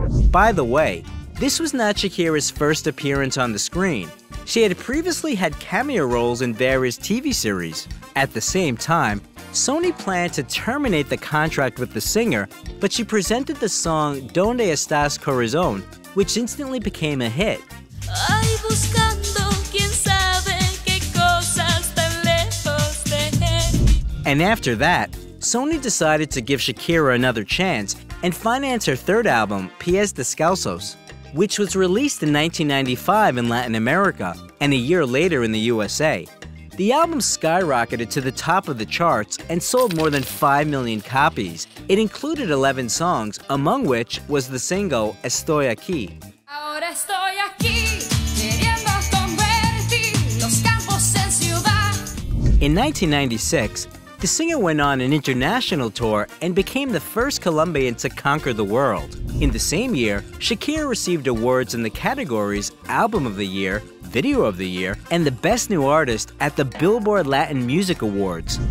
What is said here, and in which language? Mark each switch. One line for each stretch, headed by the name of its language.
English: By the way, this was not Shakira's first appearance on the screen. She had previously had cameo roles in various TV series. At the same time, Sony planned to terminate the contract with the singer, but she presented the song Donde Estás Corazón, which instantly became a hit.
Spanish: Ay, buscando, quién sabe qué cosas tan lejos de mí.
English: And after that, Sony decided to give Shakira another chance and finance her third album, Pies Descalzos, which was released in 1995 in Latin America and a year later in the USA. The album skyrocketed to the top of the charts and sold more than 5 million copies. It included 11 songs, among which was the single Estoy Aquí.
Spanish: Ahora estoy aquí, queriendo convertir los campos en ciudad.
English: In 1996, the singer went on an international tour and became the first Colombian to conquer the world. In the same year, Shakira received awards in the categories Album of the Year, Video of the Year, and the Best New Artist at the Billboard Latin Music Awards.